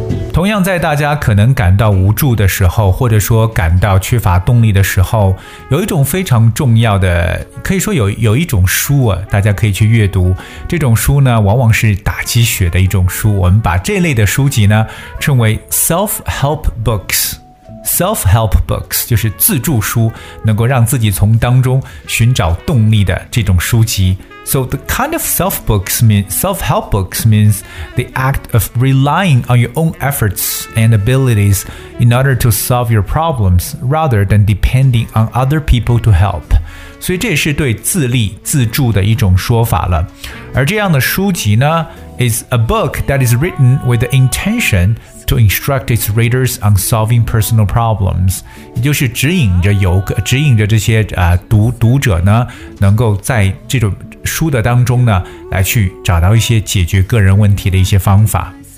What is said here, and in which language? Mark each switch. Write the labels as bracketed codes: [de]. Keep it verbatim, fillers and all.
[zh] 同样在大家可能感到无助的时候或者说感到缺乏动力的时候，有一种非常重要的可以说有有一种书啊，大家可以去阅读，这种书呢往往是打鸡血的一种书，我们把这类的书籍呢称为 self-help books self-help books 就是自助书，能够让自己从当中寻找动力的这种书籍。 [en] So the kind of self books mean self-help books means the act of relying on your own efforts and abilities in order to solve your problems rather than depending on other people to help. [zh] 所以这也是对自立自助的一种说法了。而这样的书籍呢 [en] is a book that is written with the intention to instruct its readers on solving personal problems. [zh] 也就是指引着游客，指引着这些呃读读者呢，能够在这种书的当中呢，来去找到一些解决个人问题的一些方法。